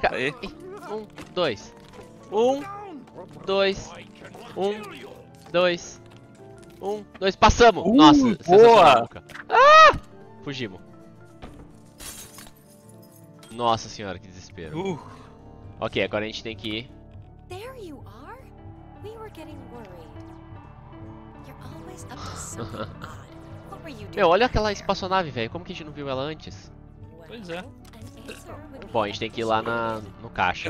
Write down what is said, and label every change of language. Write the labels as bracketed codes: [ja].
[pt] Pra cá. Aí. Um, dois. Um, dois. Um, dois. Um, dois. Passamos. Nossa. Boa. Fugimos. Nossa senhora, que desespero. Ok, agora a gente tem que ir. [en] There you are. We were getting worried. You're always up to something odd. What were you doing? [pt] Meu, olha aquela espaçonave, velho. Como que a gente não viu ela antes? Pois é. Bom, a gente tem que ir lá na, no caixa.